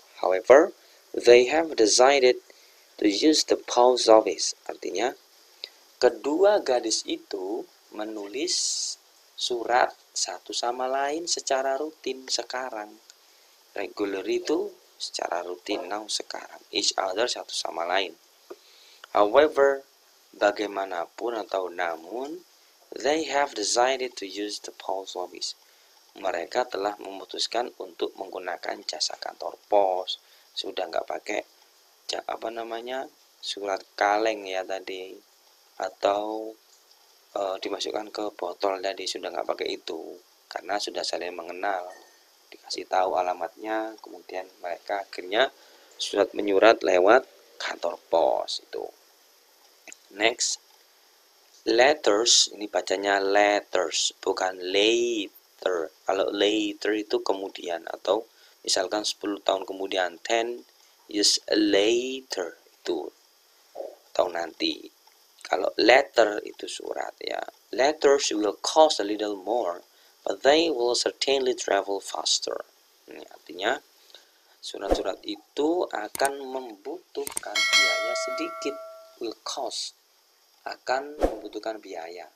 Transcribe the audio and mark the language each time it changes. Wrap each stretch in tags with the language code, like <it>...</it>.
<en>However, they have decided to use the post office.</en> <id>Artinya kedua gadis itu menulis surat satu sama lain secara rutin sekarang. Regular itu secara rutin, now sekarang.</id> <en>Each other</en> <id>satu sama lain.</id> <en>However,</en> <id>bagaimanapun atau namun,</id> <en>they have decided to use the post office.</en> <id>Mereka telah memutuskan untuk menggunakan jasa kantor pos. Sudah nggak pakai apa namanya surat kaleng ya tadi, atau dimasukkan ke botol tadi, sudah nggak pakai itu karena sudah saling mengenal, dikasih tahu alamatnya, kemudian mereka akhirnya surat menyurat lewat kantor pos itu. Next, letters, ini bacanya letters bukan later. Kalau later itu kemudian, atau misalkan 10 tahun kemudian,</id> <en>10 years later,</en> <id>itu tahun nanti. Kalau letter itu surat, ya.</id> <en>Letters will cost a little more, but they will certainly travel faster.</en> <id>Ini artinya, surat-surat itu akan membutuhkan biaya sedikit.</id> <en>Will cost,</en> <id>akan membutuhkan biaya.</id>